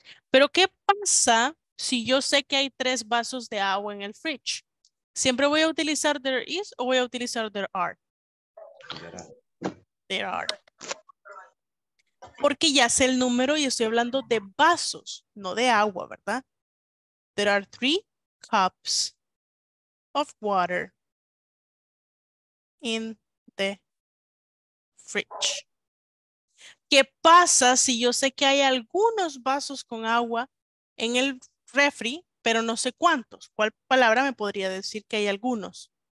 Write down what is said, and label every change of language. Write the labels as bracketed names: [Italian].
[Spanish] Pero, ¿qué pasa si yo sé que hay 3 vasos de agua en el fridge? ¿Siempre voy a utilizar [English] there is [Spanish] o voy a utilizar [English] there are? There are. [Spanish] Porque ya sé el número y estoy hablando de vasos, no de agua, ¿verdad? [English] There are 3 cups of water in the fridge. [Spanish] ¿Qué pasa si yo sé que hay algunos vasos con agua en el refri, pero no sé cuántos? ¿Cuál palabra me podría decir que hay algunos?